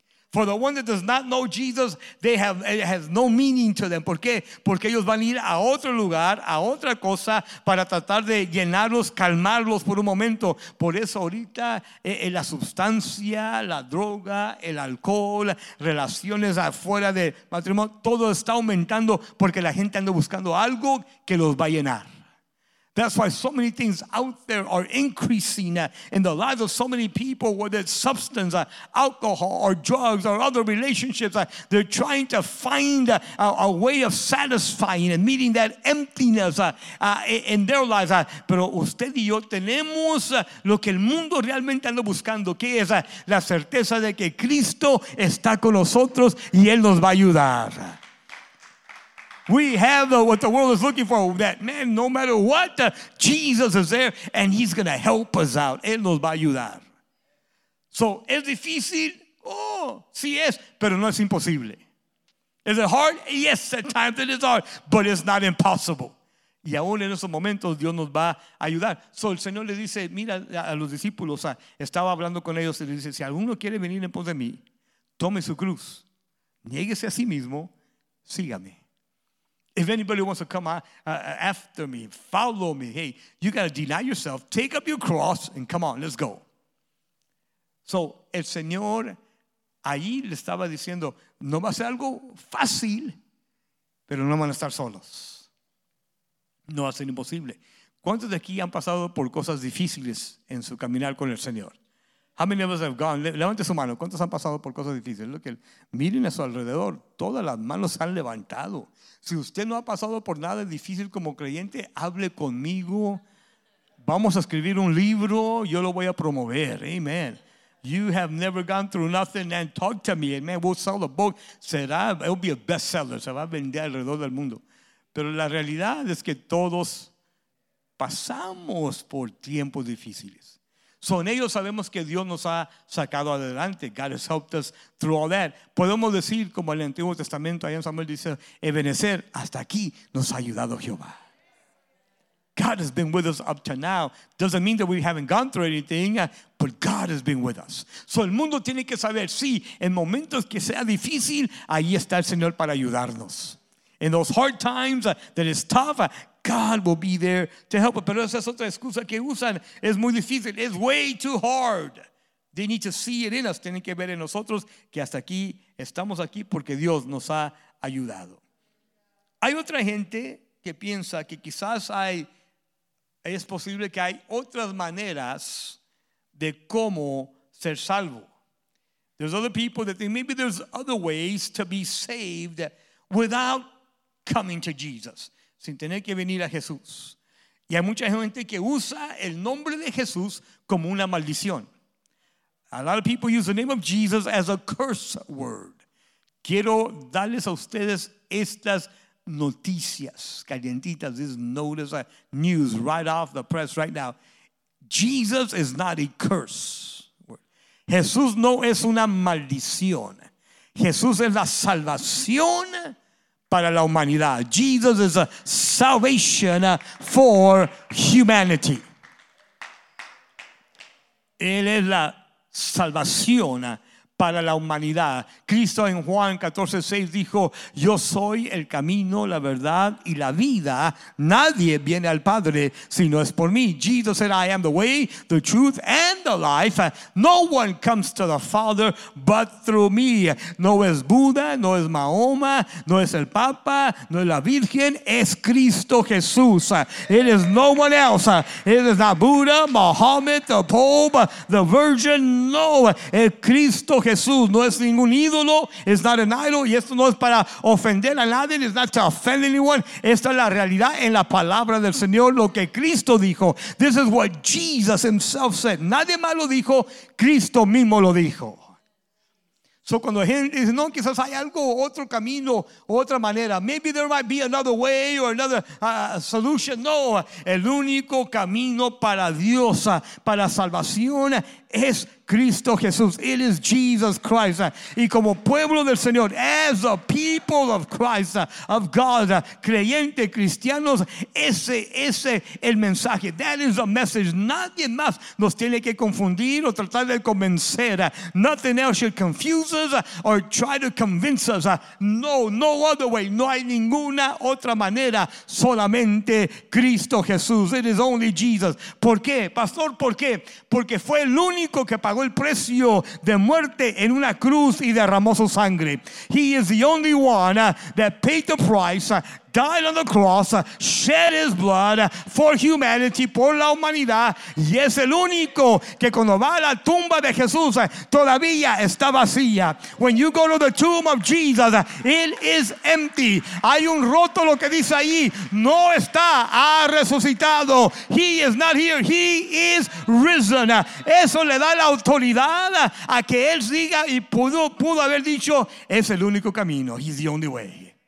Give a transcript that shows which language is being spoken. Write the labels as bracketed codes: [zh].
[en] For the one that does not know Jesus, they have, it has no meaning to them. [es] ¿Por qué? Porque ellos van a ir a otro lugar, a otra cosa, para tratar de llenarlos, calmarlos por un momento. Por eso ahorita la sustancia, la droga, el alcohol, relaciones afuera de matrimonio, todo está aumentando porque la gente anda buscando algo que los va a llenar. [en] That's why so many things out there are increasing in the lives of so many people, whether it's substance, alcohol, or drugs, or other relationships. They're trying to find a way of satisfying and meeting that emptiness in their lives. [es] Pero usted y yo tenemos lo que el mundo realmente anda buscando, que es la certeza de que Cristo está con nosotros y Él nos va a ayudar. [en] We have what the world is looking for, that man, no matter what, Jesus is there and he's going to help us out. [es] Él nos va a ayudar. So, ¿es difícil? Oh, sí es, pero no es imposible. [en] Is it hard? Yes, at times it is hard, but it's not impossible. [es] Y aún en esos momentos Dios nos va a ayudar. So, el Señor le dice, mira a los discípulos, estaba hablando con ellos y le dice, si alguno quiere venir en pos de mí, tome su cruz, niéguese a sí mismo, sígame. [en] If anybody wants to come after me, follow me, hey, you got to deny yourself, take up your cross, and come on, let's go. [es] So, el Señor ahí le estaba diciendo, no va a ser algo fácil, pero no van a estar solos. No va a ser imposible. ¿Cuántos de aquí han pasado por cosas difíciles en su caminar con el Señor? [en] How many of us have gone? [es] Levante su mano. ¿Cuántos han pasado por cosas difíciles? [en] Look, [es] miren a su alrededor. Todas las manos se han levantado. Si usted no ha pasado por nada difícil como creyente, hable conmigo. Vamos a escribir un libro. Yo lo voy a promover. Amen. [en] You have never gone through nothing and talk to me. Amen. We'll sell the book. [es] Será, [en] it'll be a bestseller. [es] Se va a vender alrededor del mundo. Pero la realidad es que todos pasamos por tiempos difíciles. So en ellos sabemos que Dios nos ha sacado adelante. [en] God has helped us through all that. [es] Podemos decir como el Antiguo Testamento, allá en Samuel dice, Ebenezer, hasta aquí nos ha ayudado Jehová. [en] God has been with us up to now. Doesn't mean that we haven't gone through anything, but God has been with us. [es] So el mundo tiene que saber, sí, en momentos que sea difícil, ahí está el Señor para ayudarnos. [en] In those hard times that it's tough, God will be there to help us. [es] Pero esa es otra excusa que usan. Es muy difícil. [en] It's way too hard. They need to see it in us. [es] Tienen que ver en nosotros que hasta aquí estamos aquí porque Dios nos ha ayudado. Hay otra gente que piensa que quizás es posible que hay otras maneras de cómo ser salvo. [en] There's other people that think maybe there's other ways to be saved without coming to Jesus. [es] Sin tener que venir a Jesús. Y hay mucha gente que usa el nombre de Jesús como una maldición. [en] A lot of people use the name of Jesus as a curse word. [es] Quiero darles a ustedes estas noticias calientitas. [en] This notice news right off the press right now. Jesus is not a curse word. [es] Jesús no es una maldición. Jesús es la salvación para la humanidad. [en] Jesus is a salvation for humanity. [es] Él es la salvación para la humanidad. Cristo en Juan 14:6 dijo, yo soy el camino, la verdad y la vida. Nadie viene al Padre si no es por mí. [en] Jesus said, I am the way, the truth and the life. No one comes to the Father but through me. [es] No es Buda, no es Mahoma, no es el Papa, no es la Virgen, es Cristo Jesús. [en] It is no one else. It is not Buddha, Mohammed, the Pope, the Virgin. [es] No, es Cristo Jesús, no es ningún ídolo, es [en] not an idol, [es] y esto no es para ofender a nadie, [en] it's not to offend anyone. [es] Esta es la realidad en la palabra del Señor, lo que Cristo dijo. [en] This is what Jesus himself said. [es] Nadie más lo dijo, Cristo mismo lo dijo. So cuando gente dice, no, quizás hay algo, otro camino, otra manera. [en] Maybe there might be another way or another solution. [es] No, el único camino para Dios, para salvación, es Cristo Jesús. [en] It is Jesus Christ. [es] Y como pueblo del Señor, [en] as a people of Christ, of God, [es] creyente, cristianos, ese es el mensaje. [en] That is the message. [es] Nadie más nos tiene que confundir o tratar de convencer. [en] Nothing else should confuse us or try to convince us. No, no other way. [es] No hay ninguna otra manera. Solamente Cristo Jesús. [en] It is only Jesus. [es] ¿Por qué? Pastor, ¿por qué? Porque fue el único que pagó el precio de muerte en una cruz y derramó su sangre. [en] He is the only one that paid the price, died on the cross, shed his blood for humanity, [es] por la humanidad, y es el único que cuando va a la tumba de Jesús todavía está vacía. [en] When you go to the tomb of Jesus, it is empty. [es] Hay un roto, lo que dice ahí, no está, ha resucitado. [en] He is not here, he is risen. [es] Eso le da la autoridad a que él diga y pudo haber dicho, es el único camino, [en] he's the only way.